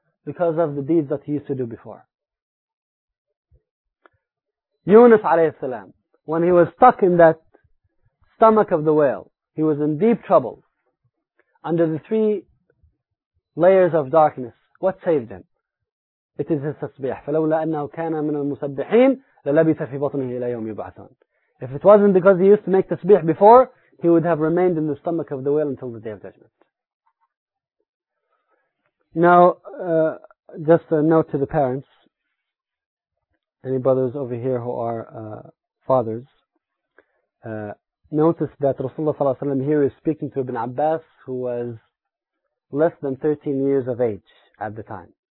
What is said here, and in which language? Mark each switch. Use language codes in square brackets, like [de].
[en] Because of the deeds that he used to do before. Yunus alayhi salam, when he was stuck in that stomach of the whale, he was in deep trouble under the three layers of darkness. What saved him? It is his tasbih. [ar] فلولا أنه كان من المسبحين لَلَبِثَ فِي بَطْنِهِ إِلَى يَوْمِ يُبْعَثُونَ. [en] If it wasn't because he used to make tasbih before, he would have remained in the stomach of the whale until the Day of Judgment. Now, just a note to the parents. Any brothers over here who are fathers, notice that Rasulullah ﷺ here is speaking to Ibn Abbas, who was less than 13 years of age at the time.